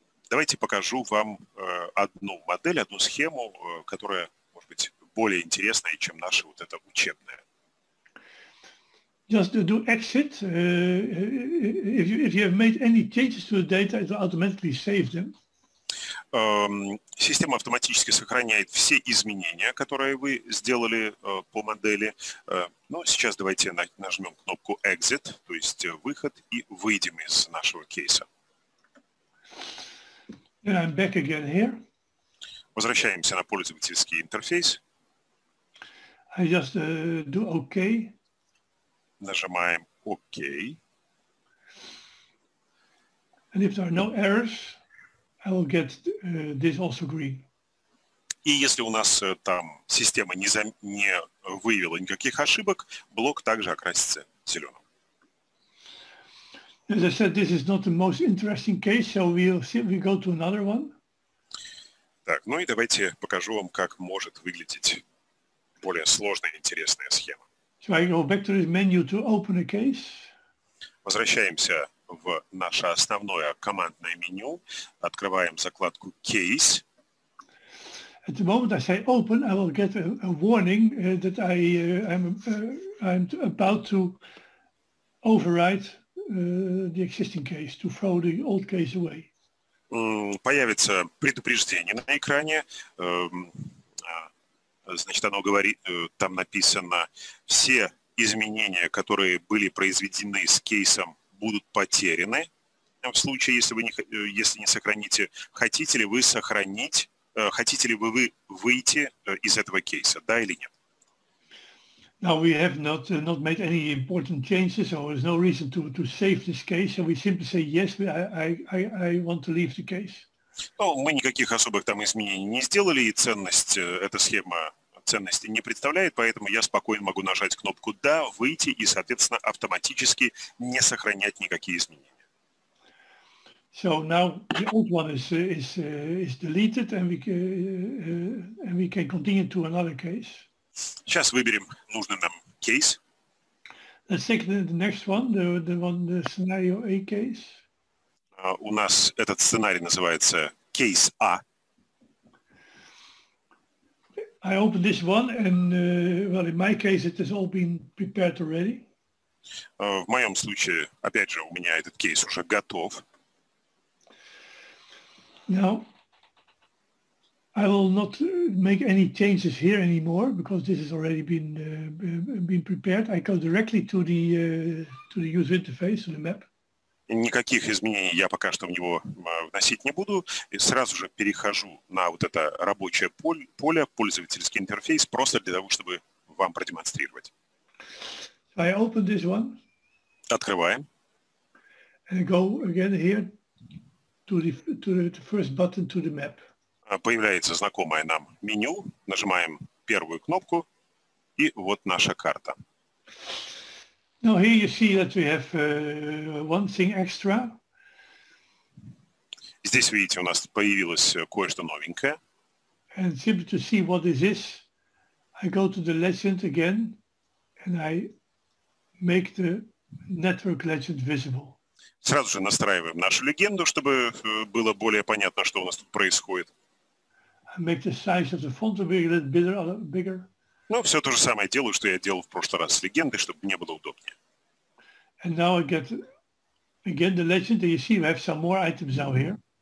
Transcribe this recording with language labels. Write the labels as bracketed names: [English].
[Russian] Давайте покажу вам одну модель, одну схему, которая, может быть, более интересное, чем наше вот это учебное. [English] Just to do exit, if you have made any changes to the data, it will automatically save them. [Russian] Система автоматически сохраняет все изменения, которые вы сделали по модели. Ну, сейчас давайте нажмем кнопку exit, то есть выход, и выйдем из нашего кейса. [English] And I'm back again here. [Russian] Возвращаемся на пользовательский интерфейс. [English] I just do OK. [Russian] Нажимаем OK. [English] And if there are no errors, I will get this also green. [Russian] И если у нас там система не выявила никаких ошибок, блок также окрасится зеленым. [English] As I said, this is not the most interesting case, so we go to another one. [Russian] Так, ну и давайте покажу вам, как может выглядеть более сложная, интересная схема. [English] So I go back to this menu to open a case. [Russian] Возвращаемся в наше основное командное меню, открываем закладку «Case». [English] At the moment I say open, I will get a warning that I I'm about to override the existing case, to throw the old case away. [Russian] Появится предупреждение на экране. Значит, оно говорит, там написано, все изменения, которые были произведены с кейсом, будут потеряны в случае, если вы не сохраните. Хотите ли вы сохранить, хотите ли вы выйти из этого кейса, да или нет? [English] Now we have not made any important changes, so there's no reason to save this case. So we simply say yes, I want to leave the case. [Russian] Ну, мы никаких особых там изменений не сделали, и ценность эта схема ценности не представляет, поэтому я спокойно могу нажать кнопку «Да», выйти и, соответственно, автоматически не сохранять никакие изменения. [English] So now the old one is deleted, and we can continue to another case. [Russian] Сейчас выберем нужный нам кейс. [English] Let's take the next one, the scenario A case. [Russian] У нас этот сценарий называется кейс А. [English] I open this one and, well, in my case it has all been prepared already. [Russian] В моем случае, опять же, у меня этот кейс уже готов. [English] Now, I will not make any changes here anymore because this has already been prepared. I go directly to the user interface, to the map. [Russian] Никаких изменений я пока что в него вносить не буду. И сразу же перехожу на вот это рабочее поле, пользовательский интерфейс, просто для того, чтобы вам продемонстрировать. [English] I open this one. [Russian] Открываем. [English] And go again here to the first button to the map. [Russian] Появляется знакомое нам меню, нажимаем первую кнопку, и вот наша карта. [English] Now here you see that we have one thing extra. [Russian] Здесь, видите, у нас появилось кое-что новенькое. [English] And simply to see what is this, I go to the legend again, and I make the network legend visible. [Russian] Сразу же настраиваем нашу легенду, чтобы было более понятно, что у нас тут происходит. [English] Make the size of the font a little bigger. [Russian] Ну, все то же самое делаю, что я делал в прошлый раз с легендой, чтобы мне было удобнее. [English] And now I get again the legend, and you see we have some more items now here.